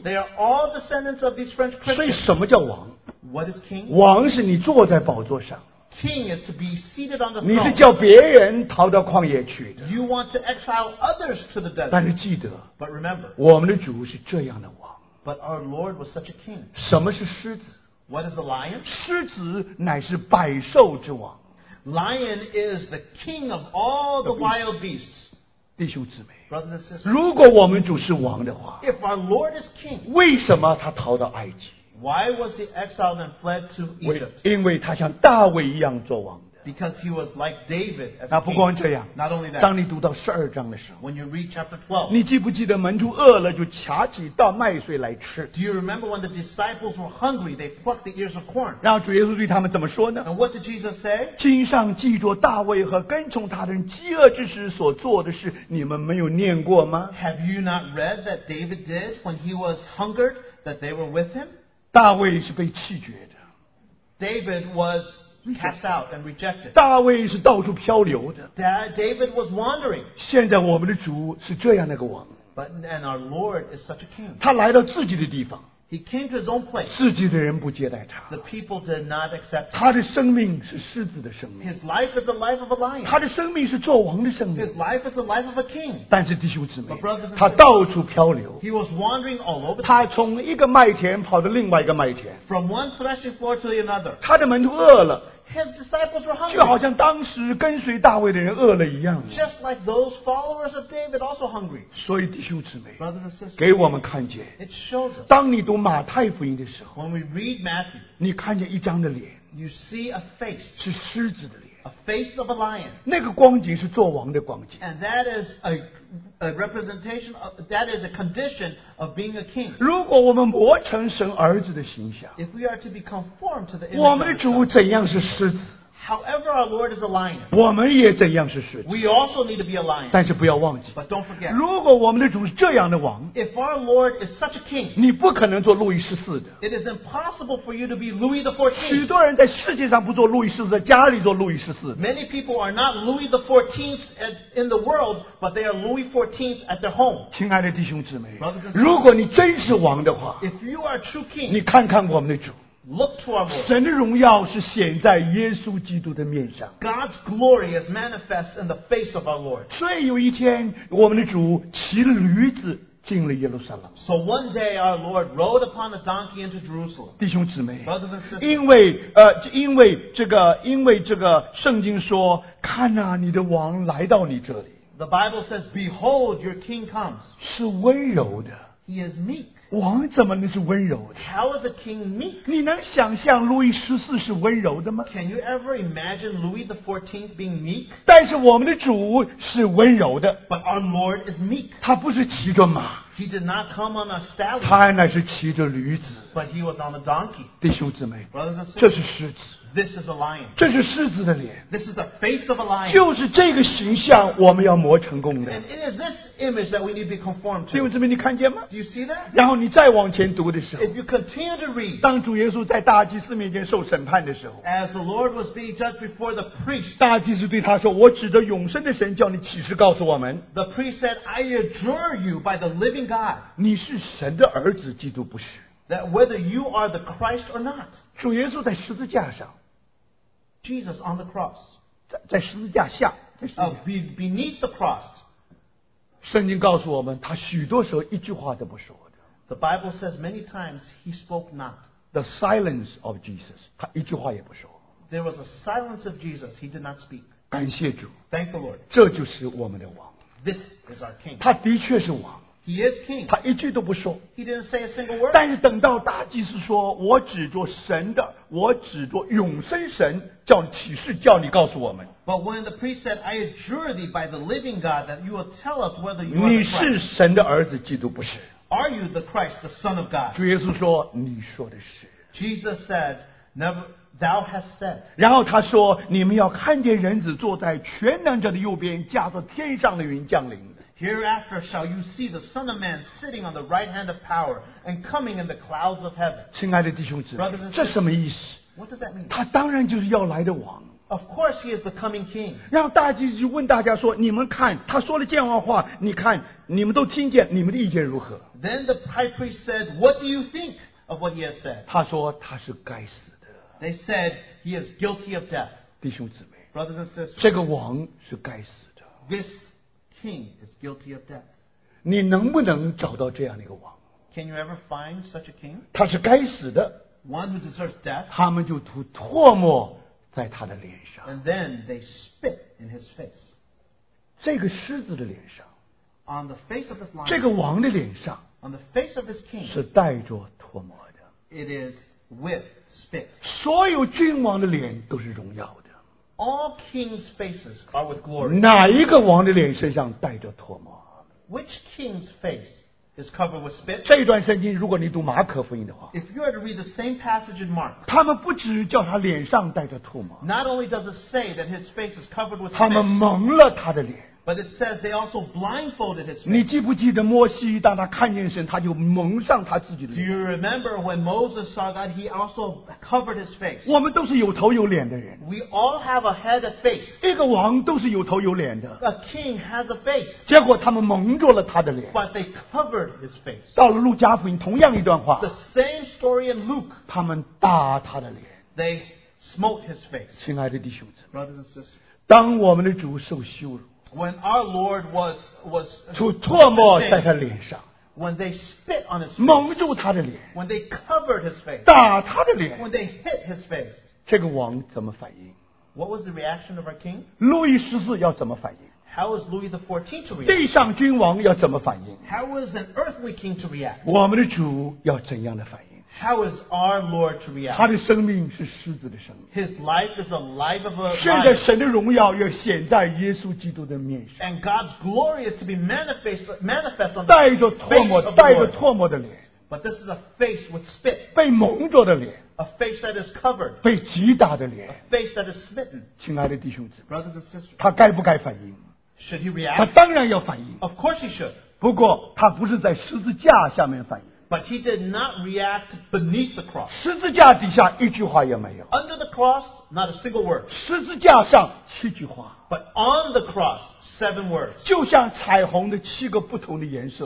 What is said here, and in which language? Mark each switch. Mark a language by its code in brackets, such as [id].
[en] They are all descendants of these French Christians. [zh] 所以什么叫王? [en] What is king? [zh] 王是你坐在宝座上。 [en] King is to be seated on the throne. [zh] 你是叫别人逃到旷野去的。 [en] You want to exile others to the desert. [zh] 但是记得, [en] But remember, [zh] 我们的主是这样的王。 [en] But our Lord was such a king. [zh] 什么是狮子? [en] What is the lion? [zh] 狮子乃是百兽之王。 [en] Lion is the king of all the wild beasts. [zh] 弟兄姊妹, [en] Brothers and sisters, [zh] 如果我们主是王的话, [en] If our Lord is king, [zh] 为什么他逃到埃及? [en] Why was he exiled and fled to Egypt? [zh] 因为他像大卫一样做王的。 [en] Because he was like David as a king. [zh] 那不光这样, [en] Not only that, [zh] 当你读到12章的时候, [en] When you read chapter 12, [zh] 你记不记得门徒饿了就卡起倒麦穗来吃? [en] Do you remember when the disciples were hungry, they plucked the ears of corn? [zh] 然后主耶稣对他们怎么说呢? [en] And what did Jesus say? [zh] 经上记着大卫和跟从他的人饥饿之时所做的事, 你们没有念过吗? [en] Have you not read that David did when he was hungered, that they were with him? [zh] 大卫是被弃绝的。 [en] David was cast out and rejected. [zh] 大卫是到处漂流的。 [en] David was wandering. [zh] 现在我们的主是这样的一个王。 [en] And our Lord is such a king. [zh] 他来到自己的地方。 [en] He came to his own place. [zh] 自己的人不接待他。 [en] The people did not accept him. [zh] 他的生命是狮子的生命。 [en] His life is the life of a lion. [zh] 他的生命是做王的生命。 [en] His life is the life of a king. [zh] 但是弟兄姊妹, [en] But brothers and sisters, [zh] 他到处漂流。 [en] He was wandering all over the place. [zh] 他从一个麦田跑到另外一个麦田。 [en] From one threshing floor to another. [zh] 他的门徒饿了。 [en] His disciples were hungry. [zh] 就好像当时跟随大卫的人饿了一样。 [en] Just like those followers of David also hungry. [zh] 所以弟兄姊妹, [en] Brothers and sisters, [zh] 给我们看见, [en] It shows us. [zh] 当你读马太福音的时候, [en] When we read Matthew, [zh] 你看见一张的脸, [en] You see a face. [zh] 是狮子的脸。 [en] A face of a lion. [zh] 那个光景是做王的光景。 [en] And that is a representation of, that is a condition of being a king. [zh] 如果我们磨成神儿子的形象。 [en] If we are to be conformed to the image [zh] 我们的主怎样是狮子。 [en] However, our Lord is a lion. [zh] 我们也怎样是狮子。 [en] We also need to be a lion. [zh] 但是不要忘记。 [en] But don't forget. [zh] 如果我们的主是这样的王。 [en] If our Lord is such a king. [zh] 你不可能做路易十四的。 [en] It is impossible for you to be Louis the 14th. [zh] 许多人在世界上不做路易十四，在家里做路易十四。 [en] Many people are not Louis the 14th in the world, but they are Louis 14th at their home. [zh] 亲爱的弟兄姊妹。 [en] Brothers and sisters. [zh] 如果你真是王的话。 [en] If you are true king. [zh] 你看看我们的主。 [en] Look to our Lord. [zh] 神的荣耀是显在耶稣基督的面上。 [en] God's glory is manifest in the face of our Lord. [zh] 所以有一天，我们的主骑驴子进了耶路撒冷。 [en] So one day our Lord rode upon a donkey into Jerusalem. [zh] 弟兄姊妹 [en] ，Brothers and sisters， [zh] 因为这个圣经说，看哪、啊，你的王来到你这里。 [en] The Bible says, "Behold, your King comes." [zh] 是温柔的。 [en] He is meek. [zh] 王怎么能是温柔的 [en] How is a king meek? [zh] 你能想象路易十四是温柔的吗 [en] Can you ever imagine Louis the 14th being meek? [zh] 但是我们的主是温柔的 [en] But our Lord is meek. [zh] 他不是骑着马 [en] He did not come on a stallion. [zh] 他乃是骑着驴子 [en] But he was on a donkey. [zh] 弟兄姊妹 [en] Brothers and sisters, [zh] 这是狮子 [en] This is a lion. [zh] 这是狮子的脸 [en] This is the face of a lion. [zh] 就是这个形象我们要磨成功的 [en] And it is this image that we need to be conformed to. [zh] 弟兄姊妹你看见吗 [en] Do you see that? [zh] 然后你再往前读的时候 [en] If you continue to read, [zh] 当主耶稣在大祭司面前受审判的时候 [en] As the Lord was being judged before the priest, [zh] 大祭司对他说我指着永生的神叫你启示告诉我们 [en] The priest said, I adjure you by the living God. [zh] 你是神的儿子基督不是 [en] That whether you are the Christ or not. [zh] 主耶稣在十字架上 [en] Jesus on the cross. [zh] 在十字架下在十字架 [en] Beneath the cross. [zh] 圣经告诉我们他许多时候一句话都不说 [en] The Bible says many times he spoke not. The silence of Jesus. [zh] 他一句话也不说。 [en] There was a silence of Jesus. He did not speak. [zh] 感谢主。 [en] Thank the Lord. [zh] 这就是我们的王。 [en] This is our king. [zh] 他的确是王。 [en] He is king. [zh] 他一句都不说。 [en] He didn't say a single word. [zh] 但是等到大祭司说，我指着神的，我指着永生神，叫启示，叫你告诉我们。 [en] But when the priest said, I adjure thee by the living God that you will tell us whether you are the Christ. [zh] 你是神的儿子，基督不是。 [en] Are you the Christ, the Son of God? [zh] 主耶稣说，你说的是。 [en] Jesus said, "Never, thou hast said." [zh] 然后他说，你们要看见人子坐在全能者的右边，驾着天上的云降临。 [en] Hereafter shall you see the Son of Man sitting on the right hand of power and coming in the clouds of heaven. [zh] 亲爱的弟兄姊妹，这什么意思 [en] ？What does that mean? [zh] 他当然就是要来的王。 [en] Of course, he is the coming king. [zh] 然后大祭司就问大家说：“你们看，他说了这样的话，你看，你们都听见，你们的意见如何？” [en] Then the high priest said, "What do you think of what he has said?" [zh] 他说他是该死的。 [en] They said he is guilty of death. [zh] 弟兄姊妹 [en] ，brothers and sisters， [zh] 这个王是该死的。 [en] This king is guilty of death. [zh] 你能不能找到这样的一个王 [en] ？Can you ever find such a king? [zh] 他是该死的。 [en] One who deserves death. [zh] 他们就吐唾沫。在他的脸上 [en] And then they spit in his face. [zh] 这个狮子的脸上 [en] On the face of this lion, [zh] 这个王的脸上 [en] On the face of this king, [zh] 是带着唾沫的 [en] It is with spit. [zh] 所有君王的脸都是荣耀的 [en] All kings' faces are with glory. [zh] 哪一个王的脸身上带着唾沫 [en] Which king's face is covered with spit? [zh] 这一段圣经如果你读马可福音的话 [en] If you were to read the same passage in Mark, [zh] 他们不只叫他脸上带着唾沫 [en] Not only does it say that his face is covered with spit, [zh] 他们蒙了他的脸 [en] But it says they also blindfolded his face. [zh] 你记不记得摩西当他看见神他就蒙上他自己的脸 [en] Do you remember when Moses saw God, he also covered his face? [zh] 我们都是有头有脸的人 [en] We all have a head of face. [zh] 一个王都是有头有脸的 [en] A king has a face. [zh] 结果他们蒙住了他的脸 [en] But they covered his face. [zh] 到了路加福音同样一段话 [en] The same story in Luke. [zh] 他们打他的脸 [en] They smote his face. [zh] 亲爱的弟兄姊妹 [en] Brothers and sisters. [zh] 当我们的主受羞辱 [en] When our Lord was [zh] 吐唾沫在他脸上 [en] when they spit on his face, [zh] 蒙住他的脸 [en] when they covered his face, [zh] 打他的脸 [en] when they hit his face, [zh] 这个王怎么反应 [en] what was the reaction of our king? [zh] 路易十四要怎么反应 [en] how was Louis the 14th to react? [zh] 地上君王要怎么反应 [en] how was an earthly king to react? [zh] 我们的主要怎样的反应 [en] How is our Lord to react? [zh] 他的生命是狮子的生命。 [en] His life is a life of a lion. [zh] 现在神的荣耀要显在耶稣基督的面前。 [en] And God's glory is to be manifest on the face of the Lord. [zh] 带着唾沫的脸。 [en] But this is a face with spit. [zh] 被蒙着的脸。 [en] A face that is covered. [zh] 被击打的脸。 [en] A face that is smitten. [zh] 亲爱的弟兄姊妹。 [en] Brothers and sisters. [zh] 他该不该反应？ [en] Should he react? [zh] 他当然要反应。 [en] Of course he should. [zh] 不过他不是在十字架下面反应。 [en] But he did not react beneath the cross. [zh] 十字架底下一句话也没有。 [en] Under the cross, not a single word. [zh] 十字架上七句话。 [en] But on the cross, seven words. [zh] 就像彩虹的七个不同的颜色。